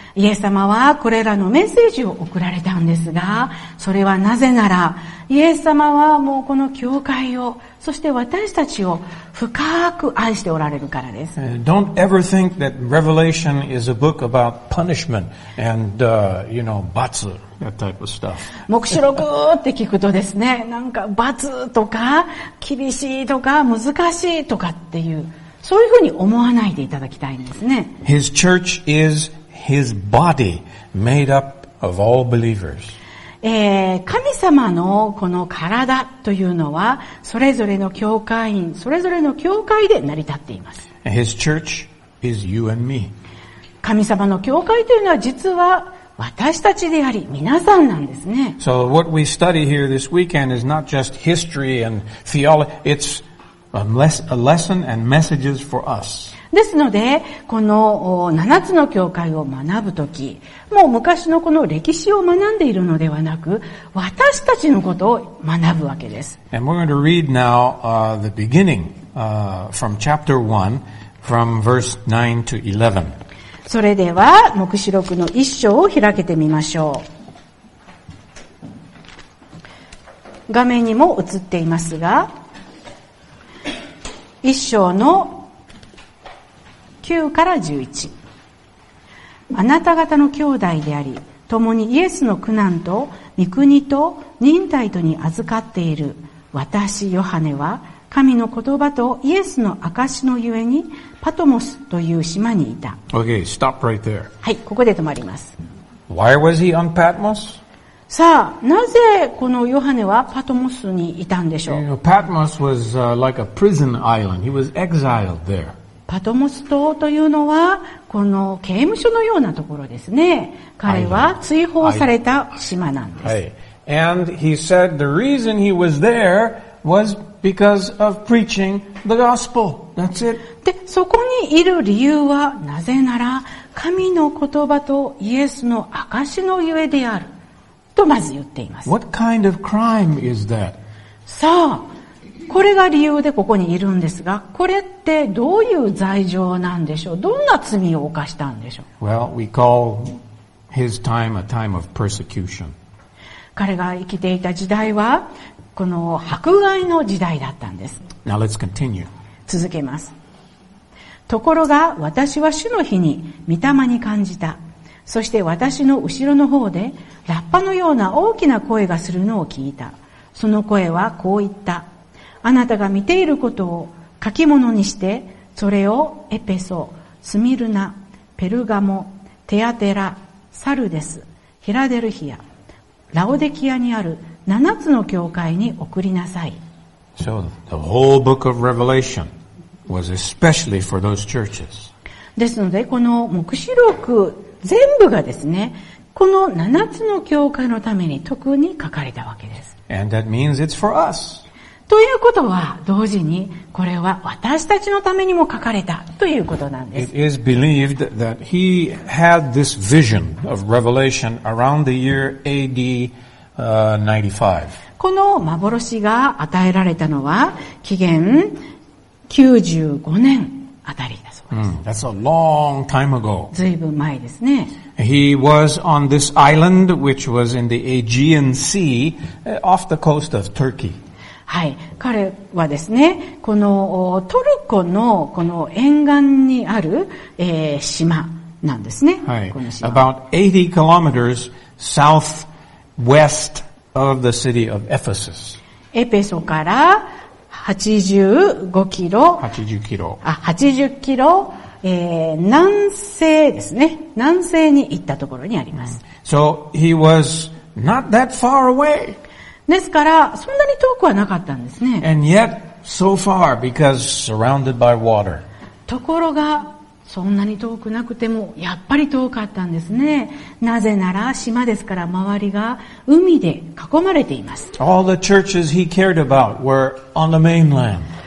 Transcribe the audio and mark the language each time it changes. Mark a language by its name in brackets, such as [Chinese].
[Japanese] イエス様はこれらのメッセージを送られたんですが、それはなぜなら、イエス様はもうこの教会を、そして私たちを深く愛しておられるからです。 [English] Don't ever think that Revelation is a book about punishment and, you know, 罰 that type of stuff. [Japanese] 黙示録って聞くとですね、なんか罰とか厳しいとか難しいとかっていう、そういうふうに思わないでいただきたいんですね。 [English] His church is his body made up of all believers. [Japanese] 神様のこの体というのはそれぞれの教会員、それぞれの教会で成り立っています。 [English] His church is you and me. [Japanese] 神様の教会というのは実は私たちであり皆さんなんですね。 [English] So what we study here this weekend is not just history and theology, it's a lesson and messages for us. [Japanese] ですので、この七つの教会を学ぶとき、もう昔のこの歴史を学んでいるのではなく、私たちのことを学ぶわけです。 And we're going to read now, the beginning, from chapter 1, from verse 9 to 11. それでは、黙示録の一章を開けてみましょう。画面にも映っていますが、一章の9から11。あなた方の兄弟であり、共にイエスの苦難と御国と忍耐とに預かっている私ヨハネは、神の言葉とイエスの証のゆえにパトモスという島にいた。 [English] Okay, stop right there. [Japanese] はい、ここで止まります。 [English] Why was he on Patmos? [Japanese] さあ、なぜこのヨハネはパトモスにいたんでしょう。 [English] Patmos was like a prison island. He was exiled there. [Japanese] パトモス島というのはこの刑務所のようなところですね。彼は追放された島なんです。はい。 [English] And he said the reason he was there was because of preaching the gospel. That's it. [Japanese] で、そこにいる理由はなぜなら神の言葉とイエスの証のゆえであるとまず言っています。 [English] What kind of crime is that? [Japanese] さあ、これが理由でここにいるんですが、これってどういう罪状なんでしょう。どんな罪を犯したんでしょう。 [English] Well, we call his time a time of persecution. [Japanese] 彼が生きていた時代はこの迫害の時代だったんです。 [English] Now let's continue. [Japanese] 続けます。ところが私は主の日に御霊に感じた。そして私の後ろの方でラッパのような大きな声がするのを聞いた。その声はこう言った。あなたが見ていることを書き物にして、それをエペソ、スミルナ、ペルガモ、テアテラ、サルデス、フィラデルフィア、ラオデキアにある七つの教会に送りなさい。 [English] So, the whole book of Revelation was especially for those churches. [Japanese] ですので、この黙示録全部がですね、この七つの教会のために特に書かれたわけです。 [English] And that means it's for us. [Japanese] ということは同時にこれは私たちのためにも書かれたということなんです。 [English] It is believed that he had this vision of revelation around the year AD 95. [Japanese] この幻が与えられたのは紀元95年あたりだそうです。 [English] That's a long time ago. [Japanese] ずいぶん前ですね。 [English] He was on this island which was in the Aegean Sea off the coast of Turkey. [Japanese] はい、彼はですね、このトルコのこの沿岸にある、島なんですね。はい、この島。 [English] About 80 kilometers southwest of the city of Ephesus. [Japanese] エペソから80キロ、南西ですね。南西に行ったところにあります。 [English] So he was not that far away. [Japanese] ですからそんなに遠くはなかったんですね。 [English] And yet, so far, because surrounded by water. [Japanese] ところがそんなに遠くなくてもやっぱり遠かったんですね。なぜなら島ですから周りが海で囲まれています。 [English] All the churches he cared about were on the mainland.